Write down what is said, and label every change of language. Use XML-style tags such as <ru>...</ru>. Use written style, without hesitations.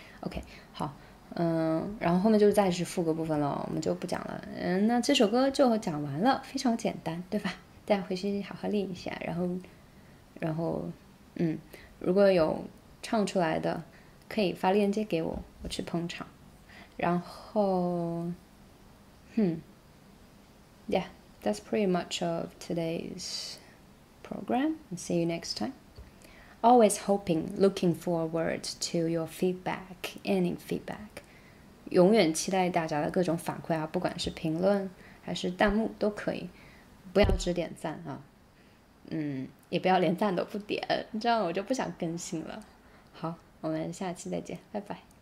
<zh>OK， 好，然后后面就再是副歌部分了，我们就不讲了。那这首歌就讲完了，非常简单对吧，大家回去好好练一下，然后如果有唱出来的可以发链接给我，我去捧场。</zh> <en>然后yeah, that's pretty much of today's program. See you next time. Always hoping, looking forward to your feedback, any feedback.</en> <zh>永远期待大家的各种反馈啊，不管是评论还是弹幕都可以，不要只点赞啊，也不要连赞都不点，这样我就不想更新了。好，我们下期再见，拜拜。</zh>